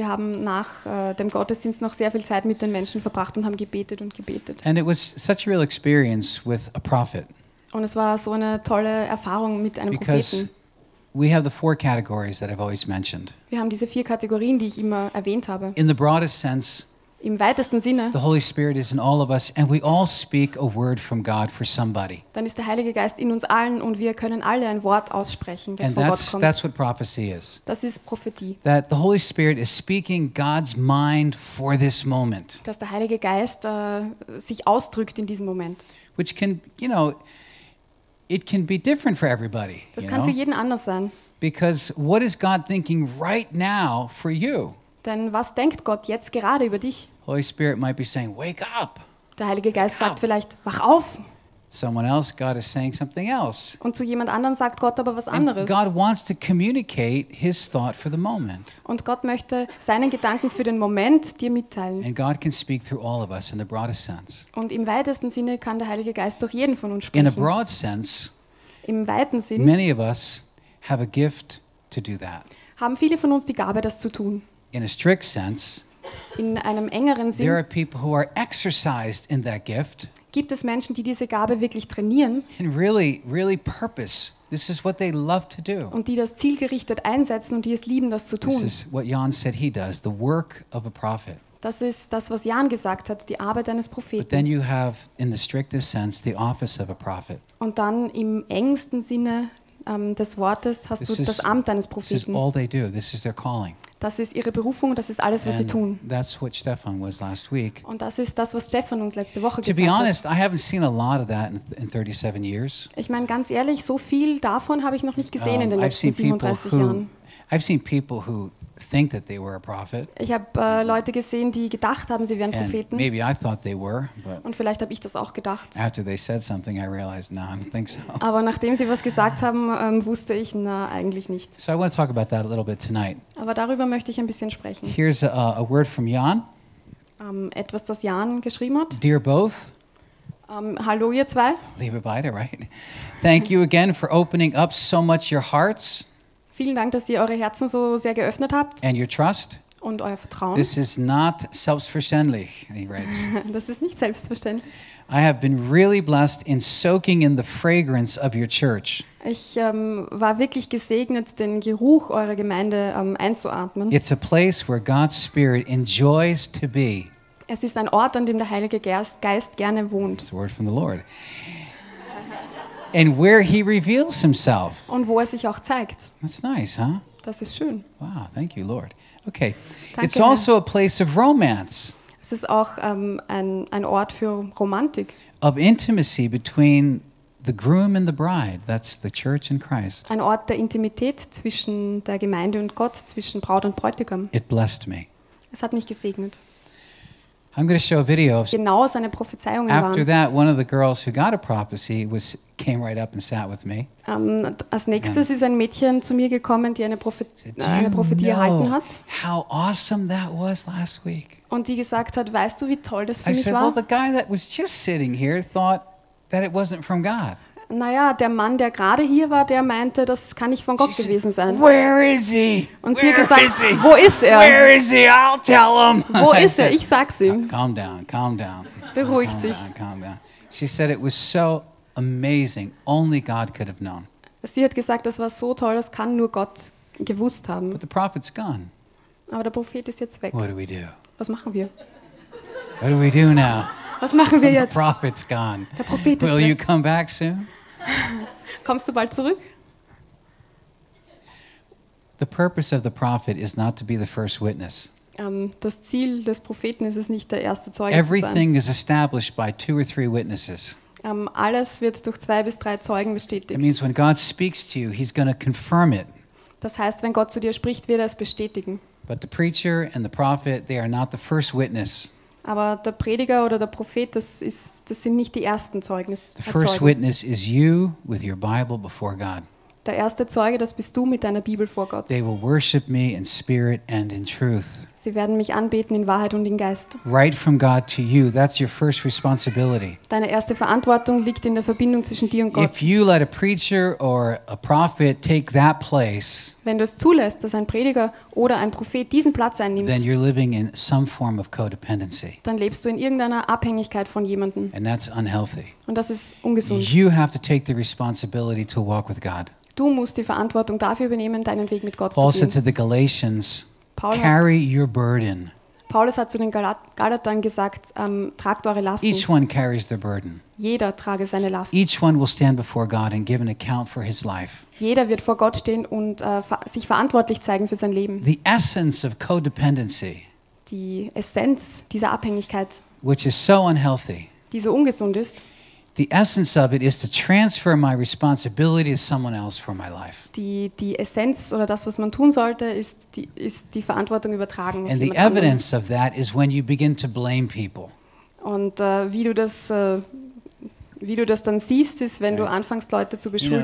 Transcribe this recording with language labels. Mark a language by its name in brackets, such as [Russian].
[German] Sie haben nach dem Gottesdienst noch sehr viel Zeit mit den Menschen verbracht und haben gebetet und gebetet. [English] And it was such a real experience with a prophet. [German] Und es war so eine tolle Erfahrung mit einem [English] because [German] Propheten. [English] We have the four categories that I've always mentioned. [German] Wir haben diese vier Kategorien, die ich immer erwähnt habe. [English] In the broadest sense. [German] Im weitesten Sinne. [English] The Holy Spirit is in all of us and we all speak a word from God for somebody. [German] Dann ist der Heilige Geist in uns allen und wir können alle ein Wort aussprechen, das [English] and [German] von Gott kommt. [English] That's what prophecy is. [German] Das ist Prophetie. [English] That the Holy Spirit is speaking God's mind for this moment. [German] Dass der Heilige Geist sich ausdrückt in diesem Moment. [English] Which can, you know, it can be different for everybody. [German] Das kann für jeden anders sein. [English] Because what is God thinking right now for you? [German] Denn was denkt Gott jetzt gerade über dich? [English] Holy Spirit might be saying, wake up. [German] Der Heilige Geist [English] wake [German] sagt [English] up. [German] Vielleicht, wach auf. [English] Someone else, God is saying something else. [German] Und zu jemand anderem sagt Gott aber was anderes. [English] And God wants to communicate his thought for the moment. [German] Und Gott möchte seinen Gedanken für den Moment dir mitteilen. [English] And God can speak through all of us in the broadest sense. [German] Und im weitesten Sinne kann der Heilige Geist durch jeden von uns sprechen. [English] In a broad sense, [German] im weiten Sinn, [English] many of us have a gift to do that. [German] Haben viele von uns die Gabe, das zu tun. [English] In a strict sense, [German] in einem engeren Sinn, [English] there are people who are exercised in that gift. [German] Gibt es Menschen, die diese Gabe wirklich trainieren? [English] And really, really purpose. This is what they love to do. [German] Und die das zielgerichtet einsetzen und die es lieben, das zu tun. [English] This is what Jan said he does, the work of a prophet. [German] Das ist das, was Jan gesagt hat, die Arbeit eines Propheten. [English] But then you have, in the strictest sense, the office of a prophet. [German] Und dann im engsten Sinne des Wortes hast [English] this [German] du [English] is, [German] das Amt eines Propheten. [English] This is all they do. This is their calling. [German] Das ist ihre Berufung, das ist alles, was [English] and [German] sie tun. [English] That's what Stefan was last week. [German] Und das ist das, was Stefan uns letzte Woche [English] to [German] gesagt [English] honest, [German] hat. [English] I haven't seen a lot of that in 37 years. [German] Ich meine, ganz ehrlich, so viel davon habe ich noch nicht gesehen in den letzten 37 [English] who, [German] Jahren. [English] I've seen people who think that they were a prophet. [German] Ich habe Leute gesehen, die gedacht haben, sie wären Propheten. [English] And maybe I thought they were, but [German] und vielleicht habe ich das auch gedacht. [English] After they said something, I realized, no, I don't think so. [German] Aber nachdem sie was gesagt haben, wusste ich, na, eigentlich nicht. [English] So I want to talk about that a little bit tonight. [German] Aber darüber möchte ich ein bisschen sprechen. [English] Here's a word from Jan. [German] Etwas, das Jan geschrieben hat. [English] Dear both. [German] Hallo ihr zwei. Liebe beide, [English] right? Thank you again for opening up so much your hearts. [German] Vielen Dank, dass ihr eure Herzen so sehr geöffnet habt. [English] And your trust. [German] Und euer Vertrauen. [English] This is not selbstverständlich, he writes. [German] Das ist nicht selbstverständlich. [English] I have been really blessed in soaking in the fragrance of your church. [German] Ich war wirklich gesegnet, den Geruch eurer Gemeinde einzuatmen. [English] It's a place where God's Spirit enjoys to be. [German] Es ist ein Ort, an dem der Heilige Geist gerne wohnt. [English] It's a word from the Lord. And where he reveals himself. [German] Und wo er sich auch zeigt. [English] That's nice, huh? [German] Das ist schön. [English] Wow, thank you, Lord. Okay. [German] Danke, [English] it's also a place of romance. [German] Es ist auch ein Ort für Romantik. [English] Of intimacy between the groom and the bride, that's the church in Christ. [German] Ein Ort der Intimität zwischen der Gemeinde und Gott, zwischen Braut und Bräutigam. [English] It blessed me. [German] Es hat mich gesegnet. [English] I'm going to show a video of [German] genau seine Prophezeiungen [English] after [German] waren. [English] After that, one of the girls who got a prophecy came right up and sat with me. [German] Als nächstes ist ein Mädchen zu mir gekommen, die eine Prophetie erhalten hat. [English] How awesome that was last week. [German] Und die gesagt hat, weißt du, wie toll das für mich war? [English] I said, well, the guy that was just sitting here thought that it wasn't from God. [German] Naja, der Mann, der gerade hier war, der meinte, das kann nicht von Gott gewesen sein. [English] Where is he? [German] Und sie hat gesagt, wo ist er? [English] Where is he? I'll tell him. [German] Wo ist er? Ich sag's ihm. [English] Calm down, calm down. [German] Beruhigt sich. [English] She said it was so amazing. Only God could have known. [German] Sie hat gesagt, das war so toll, das kann nur Gott gewusst haben. [English] But the prophet's gone. [German] Aber der Prophet ist jetzt weg. [English] What do we do? [German] Was machen wir? [English] What do we do now? [German] Was machen wir jetzt? [English] The prophet's gone. [German] Der Prophet ist weg. [English] Will you come back soon? [German] Kommst du bald zurück? [English] The purpose of the prophet is not to be the first witness. [German] Das Ziel des Propheten ist es nicht, der erste Zeuge [English] Everything Is established by two or three witnesses. [German] Alles wird durch zwei bis drei Zeugen bestätigt. [English] It means when God speaks to you, he's going to confirm it. [German] Das heißt, wenn Gott zu dir spricht, wird er es bestätigen. [English] But the preacher and the prophet, they are not the first witness. [German] Aber der Prediger oder der Prophet, das sind nicht die ersten Zeugnisse. [English] The first witness is you with your Bible before God. [German] Der erste Zeuge, das bist du mit deiner Bibel vor Gott. [English] They will worship me in spirit and in truth. [German] Sie werden mich anbeten in Wahrheit und in Geist. [English] Right from God to you, that's your first responsibility. [German] Deine erste Verantwortung liegt in der Verbindung zwischen dir und Gott. [English] If you let a preacher or a prophet take that place, [German] wenn du es zulässt, dass ein Prediger oder ein Prophet diesen Platz einnimmt, [English] then you're living in some form of codependency. [German] Dann lebst du in irgendeiner Abhängigkeit von jemandem. [English] And that's unhealthy. [German] Und das ist ungesund. [English] You have to take the responsibility to walk with God. [German] Du musst die Verantwortung dafür übernehmen, deinen Weg mit Gott [English] Paul [German] zu gehen. [English] Paul said to the Galatians, carry your burden. [German] Paulus hat zu den Galatern gesagt, tragt eure Lasten. [English] Each one carries their burden. [German] Jeder trage seine Last. [English] Each one will stand before God and give an account for his life. [German] Jeder wird vor Gott stehen und sich verantwortlich zeigen für sein Leben. [English] The essence of codependency. [German] Die Essenz dieser Abhängigkeit. [English] Which is so unhealthy. [German] Die so ungesund ist. [English] The essence of it is to transfer my responsibility to someone else for my life. [German] Die Essenz oder das, was man tun sollte, ist die Verantwortung übertragen. [English] And the evidence of that is when you begin to blame people. [German] Und wie du das dann siehst, ist, wenn du anfängst, Leute zu beschuldigen.